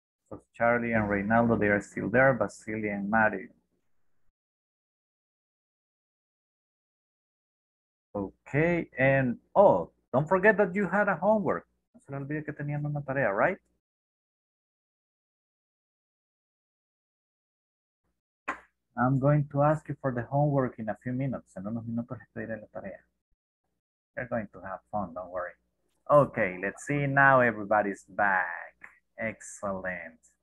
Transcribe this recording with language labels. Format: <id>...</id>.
<en>So Charlie and Reynaldo, they are still there, Basilia and Mario. Okay, and oh, don't forget that you had a homework.</en> <es>No se le olvide que tenían una tarea,</es> <en>right? I'm going to ask you for the homework in a few minutes.</en> <es>En unos minutos les pediré la tarea.</es> <en>You're going to have fun, don't worry. Okay, let's see. Now everybody's back. Excellent.</en>